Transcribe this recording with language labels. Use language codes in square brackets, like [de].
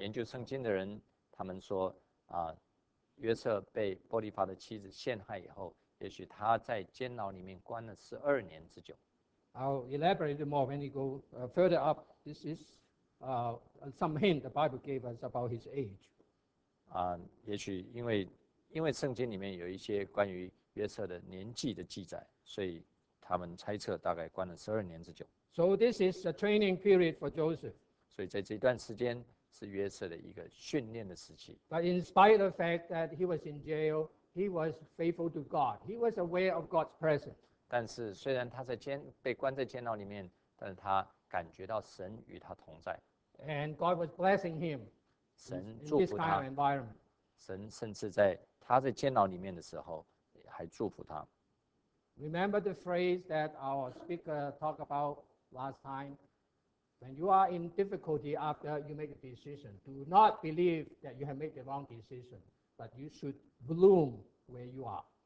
[zh] 研究圣经的人，他们说约瑟被波提法的妻子陷害以后，也许他在监牢里面关了12年之久。 [en] I'll elaborate more when you go further up. This is some hint the Bible gave us about his age. [zh] 也许因为圣经里面有一些关于约瑟的年纪的记载，所以他们猜测大概关了12年之久。 [en] So this is a training period for Joseph. [zh] 所以在这段时间是约瑟的一个训练的时期。 [en] But in spite of the fact that he was in jail, he was faithful to God. He was aware of God's presence. [zh] 但是虽然他被关在监牢里面，但是他感觉到神与他同在。 [en] And God was blessing him. [zh] 神祝福他。 [en] In this kind of environment. [zh] 神甚至在他在监牢里面的时候还祝福他。 [en] Remember the phrase that our speaker talked about last time? When you are in difficulty after you make a decision, do not believe that you have made the wrong decision, but you should bloom where you are.